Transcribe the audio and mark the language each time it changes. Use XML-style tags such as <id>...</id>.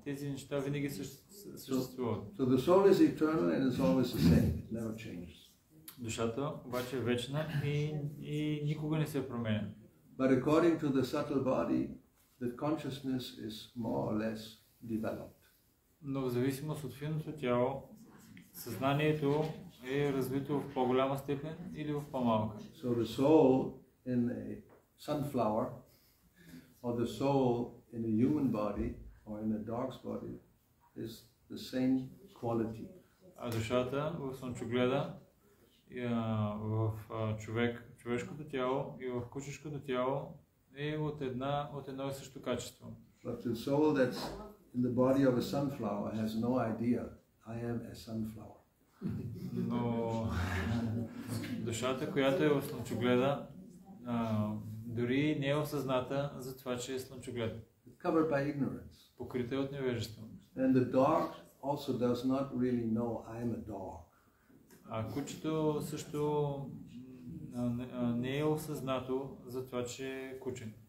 <bg>Тези неща винаги съществуват.</bg> <en>So the soul is eternal and it's always the same. It never changes.</en> <bg>Душата обаче е вечна и никога не се променя.</bg> <en>But according to the subtle body, the consciousness is more or less developed.</en> <bg>Но в зависимост от финното тяло, съзнанието е развито в по-голяма степен или в по-малка.</bg> <en>So the soul in a sunflower or the soul in a human body or in a dog's body is the same quality.</en> <bg>А душата в слънчогледа, в човек, човешкото тяло и в кучешкото тяло е от едно и също качество.</bg> <en>But the soul that's in the body of a sunflower has no idea I am a sunflower.</en> <bg>Но душата, която е в слънчогледа, дори не е осъзната за това, че е слънчоглед.</bg> <en>Covered by ignorance.</en> <bg>Покрита от невежество.</bg> <en>And the dog also does not really know I am a dog.</en> <bg>А кучето също не е осъзнато за това, че е куче.</bg>